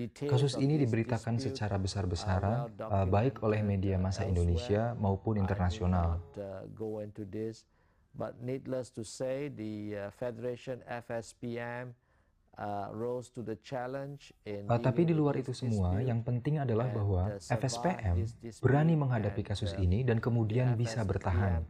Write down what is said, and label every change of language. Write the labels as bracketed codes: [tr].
[id] Kasus ini diberitakan secara besar-besaran, baik oleh media massa Indonesia maupun internasional. [en] But needless to say, the Federation FSPM rose to the challenge. [id] Tapi di luar itu semua, yang penting adalah bahwa FSPM berani menghadapi kasus ini dan kemudian bisa bertahan.